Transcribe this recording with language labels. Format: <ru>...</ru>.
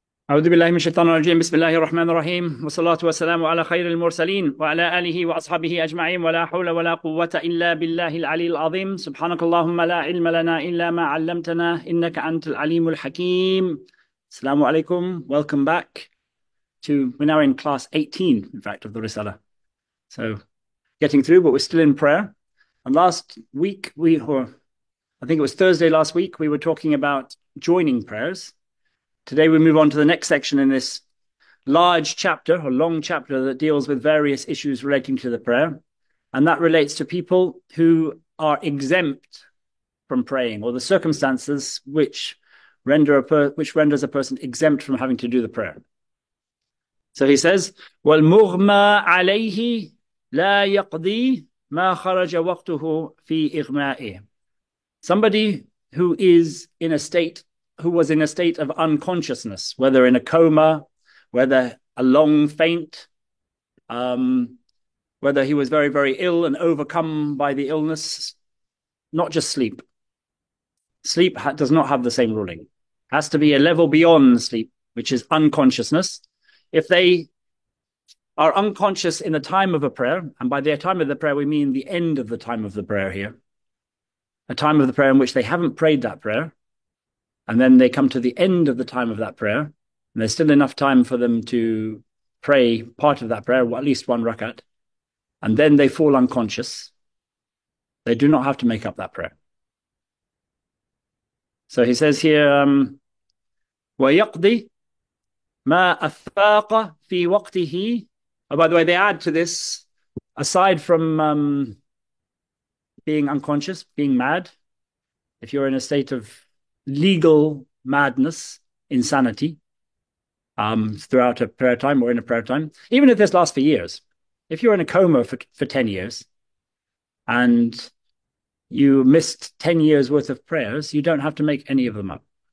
<ar>أعوذ بالله من الشيطان الرجيم، بسم الله الرحمن الرحيم، والصلاة والسلام على خير المرسلين وعلى آله وأصحابه أجمعين، ولا حول ولا قوة إلا بالله العلي العظيم. سبحانك اللهم لا علم لنا إلا ما علمتنا إنك أنت العليم الحكيم. السلام عليكم،</ar> <en>welcome back to, we're now in class 18 in fact of the Risala. So getting through, but we're still in prayer. And last week I think it was Thursday last week, we were talking about joining prayers. Today we move on to the next section in this large chapter, a long chapter that deals with various issues relating to the prayer. And that relates to people who are exempt from praying, or the circumstances which renders a person exempt from having to do the prayer. So he says,</en> <ar>وَالْمُغْمَى عَلَيْهِ لَا يَقْضِي مَا خَرَجَ وَقْتُهُ فِي إِغْمَائِهِ.</ar> <en>Somebody who is in a state who was in a state of unconsciousness, whether in a coma, whether a long faint, whether he was very, very ill and overcome by the illness, not just sleep. Sleep does not have the same ruling. It has to be a level beyond sleep, which is unconsciousness. If they are unconscious in the time of a prayer, and by the time of the prayer, we mean the end of the time of the prayer here, a time of the prayer in which they haven't prayed that prayer, and then they come to the end of the time of that prayer, and there's still enough time for them to pray part of that prayer, or at least one rakat, and then they fall unconscious, they do not have to make up that prayer. So he says here,</en> <ar>وَيَقْضِي مَا أَفَاقَ فِي وَقْتِهِ.</ar> <en>Oh, by the way, they add to this, aside from being unconscious, being mad, if you're in a state of legal madness, insanity, throughout a prayer time or in a prayer time, even if this lasts for years, if you're in a coma for 10 years and you missed 10 years worth of prayers, you don't have to make any of them up.</en>